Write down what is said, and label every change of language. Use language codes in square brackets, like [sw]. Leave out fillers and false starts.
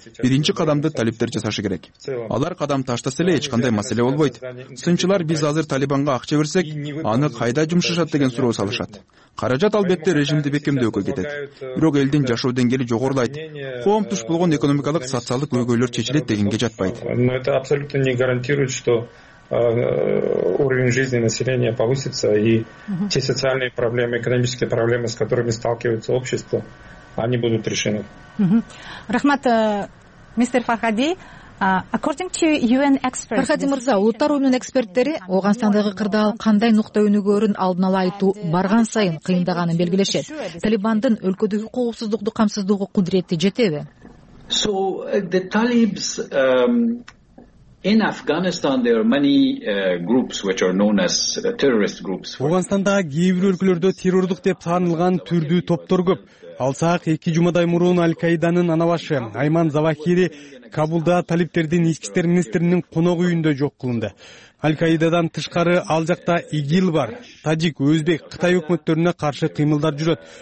[ky] Биринчи кадамды талиптер жасашы керек. Алар кадам таштаса эле эч кандай маселе болбойт. Сынчылар биз азыр Талибанга акча берсек, аны кайда жумшашат деген суроо салышат. Каражат албетте режимди бекемдөөгө кетет. Бирок элдин жашоо деңгээли жогорулайт. Коом туш болгон экономикалык, социалдык өйгөйлөр чечилет дегенге жатпайт. [ru] Но это абсолютно не гарантирует, что уровень жизни населения повысится и те социальные проблемы, экономические проблемы, с которыми сталкивается общество, они будут решены. [ky] Рахмат. [en] Мистер Фархади, according to UN experts... [ky] Фархади мырза, улуттар уюмунун эксперттери Оогонстандагы кырдаал кандай нукта өнүгөрүн алдын ала айтуу барган сайын кыйындаганын белгилешет. Талибандын өлкөдөгү коопсуздукту камсыздоого кудурети жетеби? [en] So, the Talibs... In Afghanistan there are many groups which are known as terrorist groups. [ky] Афганстанда кээ бир өлкөлөрдө террордук деп таанылган түрдүү топтор көп. Алсак, 2 жумадай мурун Аль-Каиданын анабашы Айман Завахири Кабулда талиптердин ички иштер министринин коног үйүндө жок кылынды. Аль-Каидадан тышкары ал жакта ИГИЛ бар. Тажик, өзбек, Кытай өкмөттөрүнө каршы кыймылдар жүрөт.